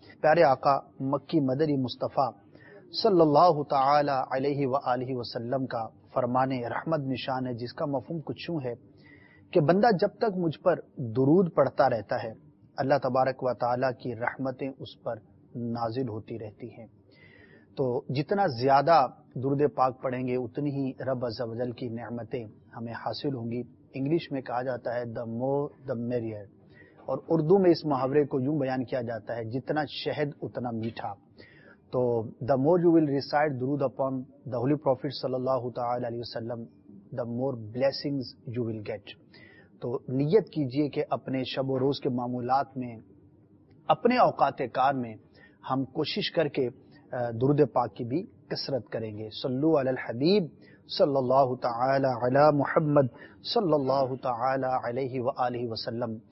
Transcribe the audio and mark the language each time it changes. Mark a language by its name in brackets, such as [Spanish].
[Urdu] پیارے آقا مکی مدنی مصطفیٰ صلی اللہ تعالی علیہ وآلہ وسلم کا فرمان رحمت نشان ہے جس کا مفہوم کچھ یوں ہے کہ بندہ جب تک مجھ پر درود پڑھتا رہتا ہے اللہ تبارک و تعالی کی رحمتیں اس پر نازل ہوتی رہتی ہیں. تو جتنا زیادہ درود پاک پڑھیں گے اتنی ہی رب عزوجل کی نعمتیں ہمیں حاصل ہوں گی. انگلش میں کہا جاتا ہے [English] the more the merrier, [Urdu] اور اردو میں اس محاورے کو یوں بیان کیا جاتا ہے جتنا شہد اتنا میٹھا. [English] تو the more you will recite درود upon the holy prophet [Arabic] صلی اللہ تعالی علیہ وسلم [English] The more blessings you will get. [Urdu] تو نیت کیجئے کہ اپنے شب و روز کے معمولات میں، اپنے اوقات کار میں ہم کوشش کر کے درود پاک کی بھی کثرت کریں گے. [Arabic] صلو علی الحبیب صلی اللہ تعالی علی محمد صلی اللہ تعالی علیہ وآلہ وسلم.